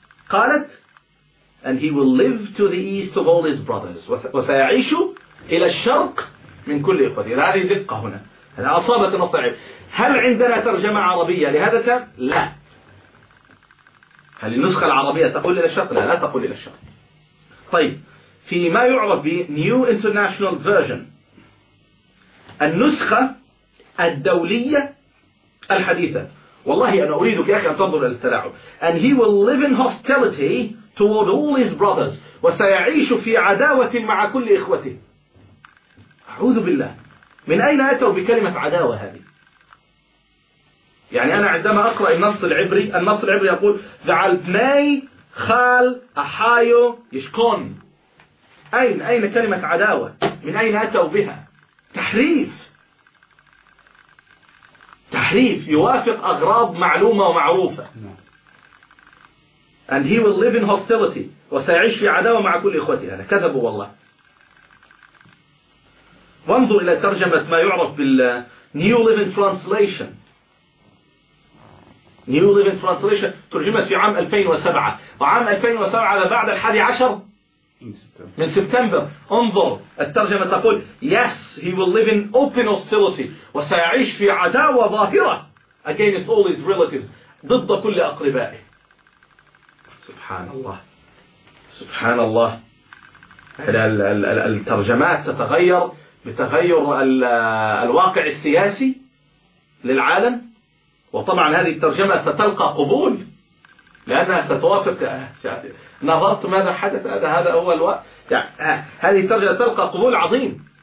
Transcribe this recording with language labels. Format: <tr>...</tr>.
<ar>قالت</ar> <en>and he will live to the east of all his brothers.</en> <ar>وسيعيش إلى الشرق من كل إخوته. هذه دقة هنا. هذا أصابت النص العبري. هل عندنا ترجمة عربية لهذا الكلام؟ لا. هل النسخة العربية تقول إلى الشرق؟ لا، لا تقول إلى الشرق. طيب، في ما يعرف بـ New International Version، النسخة الدولية الحديثة، والله أنا أريدك يا أخي أن تنظر إلى التلاعب.</ar> <en>And he will live in hostility toward all his brothers،</en> <ar>وسيعيش في عداوة مع كل إخوته. أعوذ بالله، من أين أتوا بكلمة عداوة هذه؟ يعني أنا عندما أقرأ النص العبري، النص العبري يقول ذعلتني خال أحايو يشكون. أين كلمة عداوة؟ من أين أتوا بها؟ تحريف يوافق أغراض معلومة ومعروفة.</ar> <en>And he will live in hostility،</en> <ar>وسيعيش في عداوة مع كل إخوته. أنا كذب والله. وانظر إلى ترجمة ما يعرف بال New Living Translation. New Living Translation ترجمت في عام 2007، وعام 2007 بعد 11 من سبتمبر. انظر الترجمة تقول</ar> <en>Yes, he will live in open hostility،</en> <ar>وسيعيش في عداوة ظاهرة</ar> <en>against all his relatives،</en> <ar>ضد كل أقربائه. سبحان الله، سبحان الله. الترجمات تتغير بتغير الواقع السياسي للعالم، وطبعا هذه الترجمة ستلقى قبول لأنها تتوافق. نظرت ماذا حدث، هذا هو الوقت. هذه الترجمة تلقى قبول عظيم.</ar>